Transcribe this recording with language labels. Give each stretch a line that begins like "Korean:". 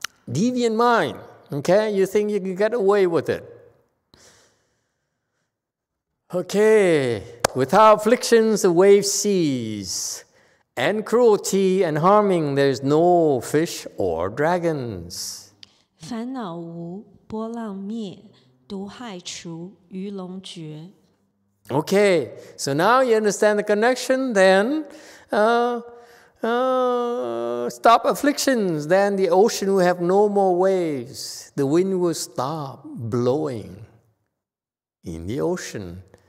English: Deviant mind. Okay? You think you can get away with it. Okay, without afflictions, the waves cease, and cruelty and harming, there's no fish or dragons.
Chinese: 烦恼无波浪灭，毒害除，鱼龙绝。
English: Okay, so now you understand the connection, then stop afflictions, then the ocean will have no more waves. The wind will stop blowing in the ocean.